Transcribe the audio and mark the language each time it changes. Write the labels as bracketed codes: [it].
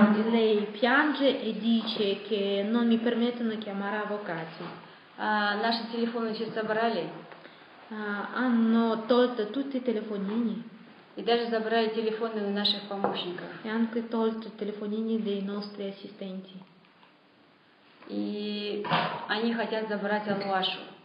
[it] Lei piange e dice che non mi permettono chiamare avvocati. [ru] Наши телефоны все забрали. [it] Hanno tolto tutti i telefonini. [ru] И даже забрали телефоны наших помощников. [it] E anche tolto i telefonini dei nostri assistenti. [ru] И они хотят забрать Алуашу.